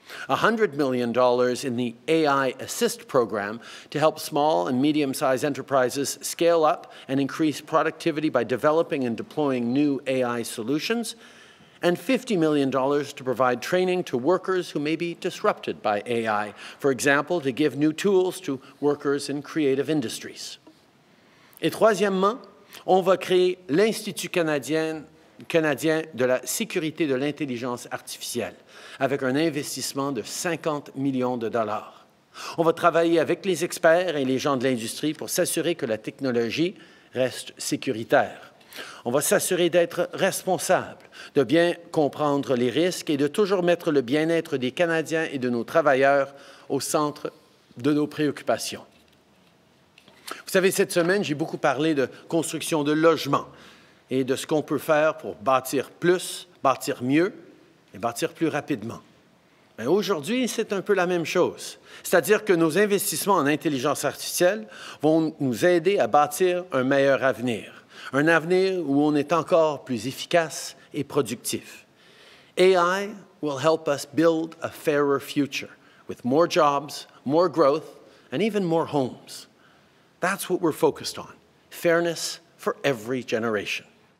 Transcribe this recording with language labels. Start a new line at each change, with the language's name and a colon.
English: $100 million in the AI Assist program to help small and medium-sized enterprises scale up and increase productivity by developing and deploying new AI solutions, and $50 million to provide training to workers who may be disrupted by AI, for example, to give new tools to workers in creative industries.
French: Et troisièmement, on va créer l'Institut canadien de la sécurité de l'intelligence artificielle, avec un investissement de $50 millions. On va travailler avec les experts et les gens de l'industrie pour s'assurer que la technologie reste sécuritaire. On va s'assurer d'être responsable, de bien comprendre les risques et de toujours mettre le bien-être des Canadiens et de nos travailleurs au centre de nos préoccupations. Vous savez, cette semaine, j'ai beaucoup parlé de construction de logements et de ce qu'on peut faire pour bâtir plus, bâtir mieux et bâtir plus rapidement. Mais aujourd'hui, c'est un peu la même chose. C'est-à-dire que nos investissements en intelligence artificielle vont nous aider à bâtir un meilleur avenir. Un avenir où on est encore plus efficace et productif.
English: AI will help us build a fairer future with more jobs, more growth, and even more homes. That's what we're focused on. Fairness for every generation.